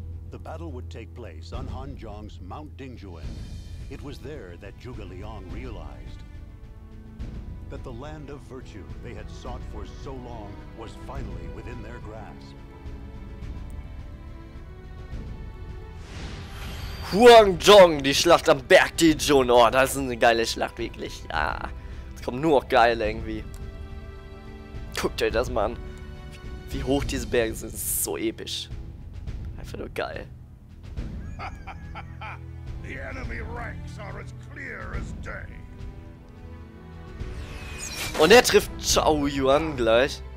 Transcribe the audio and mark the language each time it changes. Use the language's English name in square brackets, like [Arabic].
[English] The battle would take place on Hanzhong's Mount Dingjuan. It was there that Zhuge Liang realized that the land of virtue they had sought for so long was finally within their grasp. [German] Huang Zhong, die Schlacht am Berg Dingjuan. Oh, das ist eine geile Schlacht, wirklich. Ja, kommt nur noch geil irgendwie. Guckt euch das mal an. Wie hoch diese Berge sind, das ist so episch. Einfach nur geil. [English] The enemy ranks are as clear as day. [German] Und er trifft Zhao Yuan gleich.